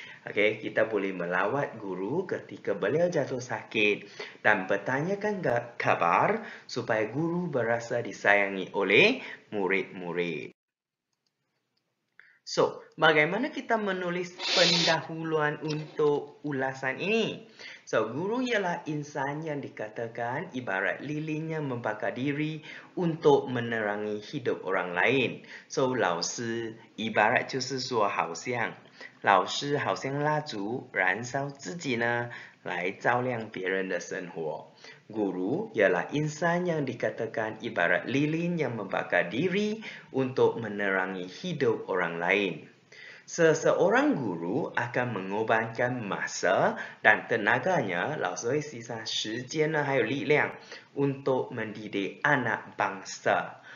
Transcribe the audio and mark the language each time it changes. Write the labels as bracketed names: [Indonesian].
[Malay] Okay, kita boleh melawat guru ketika beliau jatuh sakit dan bertanyakan khabar supaya guru berasa disayangi oleh murid-murid. So, bagaimana kita menulis pendahuluan untuk ulasan ini? So, guru ialah insan yang dikatakan ibarat lilinnya membakar diri untuk menerangi hidup orang lain. [Chinese] So, 老师 [Malay] ibarat [Chinese] 就是说好像 老师好像蜡烛燃烧自己呢来照亮别人的生活。 [Malay] Guru ialah insan yang dikatakan ibarat lilin yang membakar diri untuk menerangi hidup orang lain. Seseorang guru akan mengorbankan masa dan tenaganya, [Chinese] 老师会牺牲时间呢还有力量 [Malay] untuk mendidik anak bangsa.